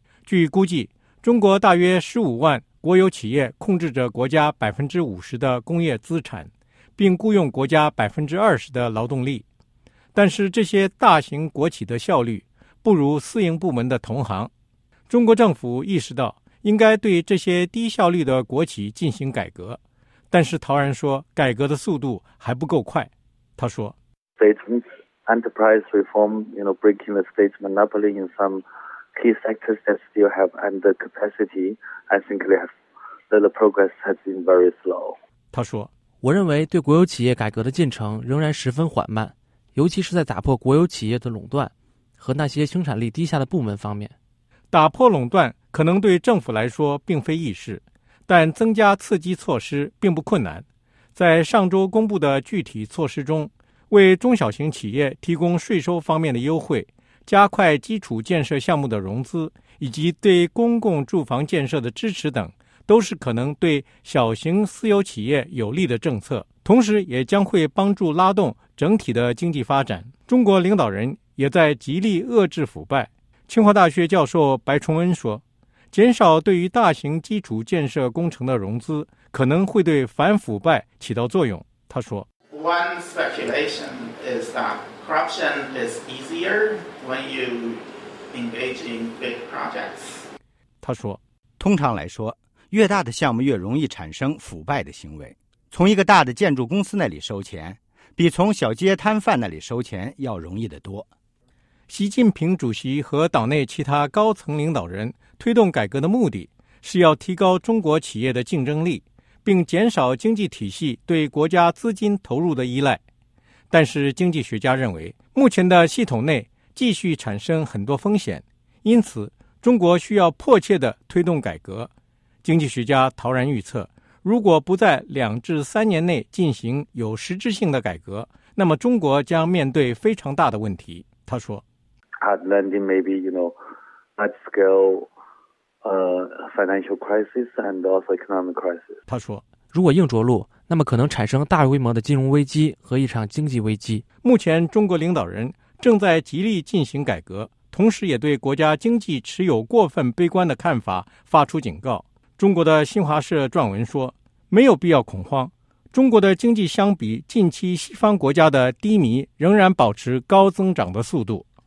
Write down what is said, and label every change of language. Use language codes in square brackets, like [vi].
[zh] 据估计，中国大约15万国有企业控制着国家 50% 的工业资产，并雇佣国家 20% 的劳动力。但是这些大型国企的效率不如私营部门的同行。中国政府意识到应该对这些低效率的国企进行改革，但是陶然说改革的速度还不够快。他说 [en] State's enterprise reform, you know, breaking the state's monopoly in some key sectors that still have under capacity, I think the progress has been very slow. [zh] 他说，我认为对国有企业改革的进程仍然十分缓慢，尤其是在打破国有企业的垄断和那些生产力低下的部门方面。打破垄断可能对政府来说并非易事，但增加刺激措施并不困难。在上周公布的具体措施中，为中小型企业提供税收方面的优惠，加快基础建设项目的融资，以及对公共住房建设的支持等，都是可能对小型私有企业有利的政策，同时也将会帮助拉动整体的经济发展。中国领导人也在极力遏制腐败。清华大学教授白崇恩说，减少对于大型基础建设工程的融资可能会对反腐败起到作用。他说， [en] One speculation is that corruption is easier when you engage in big projects. [zh] 他说，通常来说，越大的项目越容易产生腐败的行为。从一个大的建筑公司那里收钱，比从小街摊贩那里收钱要容易得多。习近平主席和党内其他高层领导人推动改革的目的是要提高中国企业的竞争力，并减少经济体系对国家资金投入的依赖。但是经济学家认为，目前的系统内继续产生很多风险，因此中国需要迫切地推动改革。经济学家陶然预测，如果不在2至3年内进行有实质性的改革，那么中国将面对非常大的问题。他说， [en] Hard landing, maybe, you know, large-scale, financial crisis and also economic crisis. [zh] 他说，如果硬着陆，那么可能产生大规模的金融危机和一场经济危机。目前中国领导人正在极力进行改革，同时也对国家经济持有过分悲观的看法发出警告。中国的新华社撰文说，没有必要恐慌，中国的经济相比近期西方国家的低迷仍然保持高增长的速度。